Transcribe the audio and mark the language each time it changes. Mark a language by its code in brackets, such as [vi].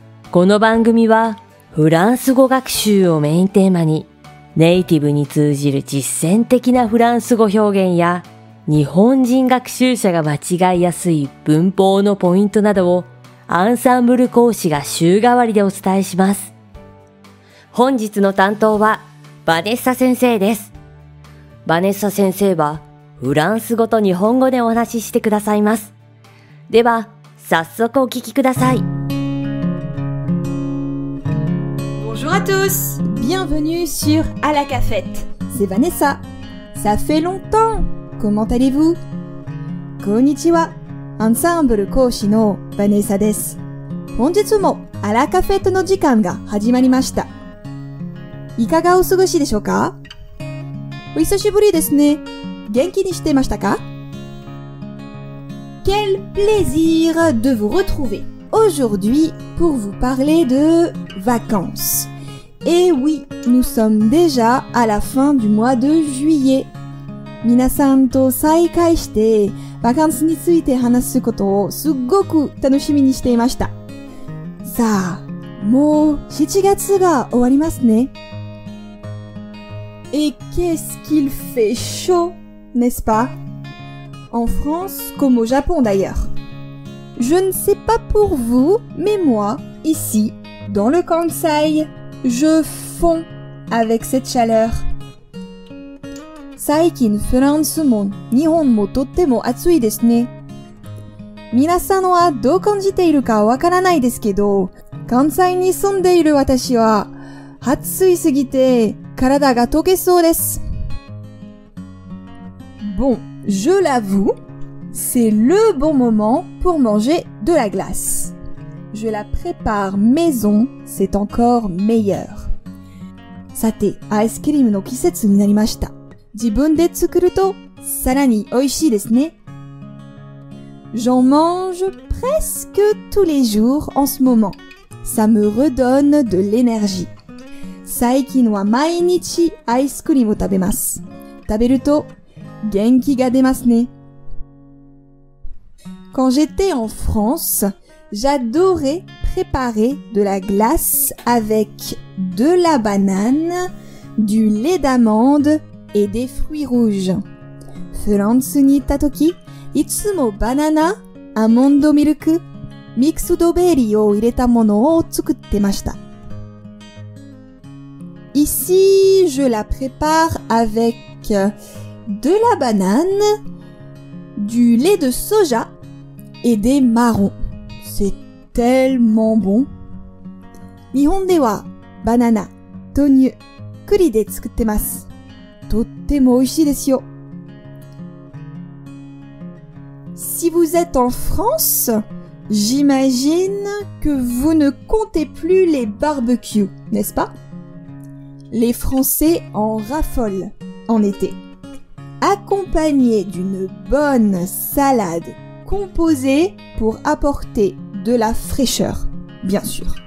[ja] この番組はフランス語学習をメインテーマに、ネイティブに通じる実践的なフランス語表現や、日本人学習者が間違いやすい文法のポイントなどをアンサンブル講師が週替わりでお伝えします。本日の担当はバネッサ先生です。バネッサ先生はフランス語と日本語でお話ししてくださいます。では早速お聞きください。 [fr] Bonjour à tous, bienvenue sur À la cafette. C'est Vanessa. Ça fait longtemps. Comment allez-vous? [ja] Konnichiwa. Ensemble 講師の Vanessa です。本日もアラカフェットの時間が始まりました。いかがお過ごしでしょうか？お久しぶりですね。元気にしてましたか？ [fr] Quel plaisir de vous retrouver aujourd'hui pour vous parler de vacances. Et oui, nous sommes déjà à la fin du mois de juillet. [ja] 皆さんと再会して、バカンスについて話すことをすごく楽しみにしていました。さあ、もう7月が終わりますね。 [fr] Et qu'est-ce qu'il fait chaud, n'est-ce pas? En France comme au Japon d'ailleurs. Je ne sais pas pour vous, mais moi, ici, dans le Kansai,Je fonds avec cette chaleur. [ja] 最近フランスも日本もとっても暑いですね。皆さんはどう感じているかわからないですけど、関西に住んでいる私は暑いすぎて体が溶けそうです。 [fr] Bon, je l'avoue, c'est le bon moment pour manger de la glace. Je la prépare maison, c'est encore meilleur. [ja] さて、アイスクリームの季節になりました。自分で作ると、さらに美味しいですね。 [fr] J'en mange presque tous les jours en ce moment. Ça me redonne de l'énergie. [ja] 最近は毎日アイスクリームを食べます。食べると、元気が出ますね。 [fr] Quand j'étais en France,J'adorais préparer de la glace avec de la banane, du lait d'amande et des fruits rouges. [ja] フランスに行ったとき、いつもバナナ、アーモンドミルク、ミックスドベリーを入れたものを作ってました。 [fr] Ici, je la prépare avec de la banane, du lait de soja et des marrons. C'est tellement bon. [ja] 日本ではバナナ、豆乳、栗で作ってます。とっても美味しいですよ。 [fr] Si vous êtes en France, j'imagine que vous ne comptez plus les barbecues, n'est-ce pas? Les Français en raffolent en été. Accompagné d'une bonne salade composée pour apporterde la fraîcheur, bien sûr.